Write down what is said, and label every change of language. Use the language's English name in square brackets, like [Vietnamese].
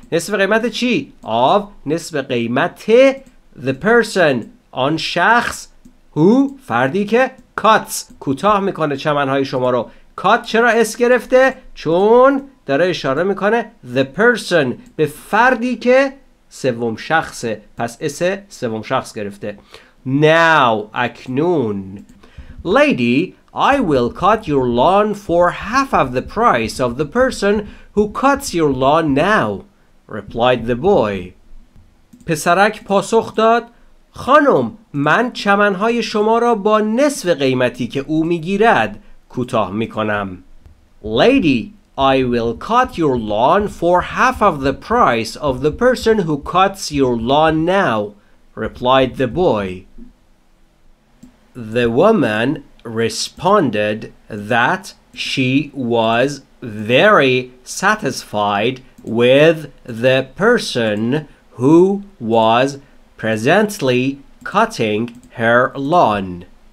[Persian] نصف قیمت چی؟ of, نصف قیمت [English] the person, [Persian] آن شخص, [English] who, [Persian] فردی که [English] cuts, [Persian] کوتاه میکنه چمنهای شما رو. cut چرا اس گرفته؟ چون داره اشاره میکنه [English] the person, [Persian] به فردی که سوم شخصه, پس اس سوم شخص گرفته. [English] now, [Persian] اکنون. [English] lady, I will cut your lawn for half of the price of the person who cuts your lawn now, replied the boy. [Persian] پسرک پاسخ داد, خانم, من چمنهای شما را با نصف قیمتی که او میگیرد کوتاه میکنم. Lady, [English] I will cut your lawn for half of the price of the person who cuts your lawn now, replied the boy. The woman responded that she was very satisfied with the person who was presently cutting her lawn.